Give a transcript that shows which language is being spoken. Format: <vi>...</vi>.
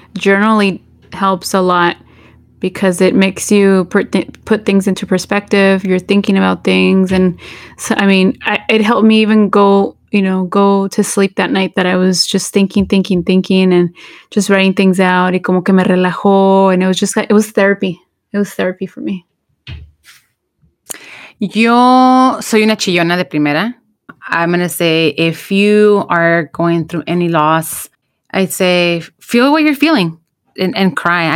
<en>Journaling helps a lot because it makes you put things into perspective. You're thinking about things. And so, I mean, it helped me even go go to sleep that night that I was just thinking and just writing things out.</en> <es>Y como que me relajó.</es> <en>And it was just, it was therapy. It was therapy for me.</en> <es>Yo soy una chillona de primera.</es> <en>I'm going to say, if you are going through any loss, I'd say, feel what you're feeling and cry.</en>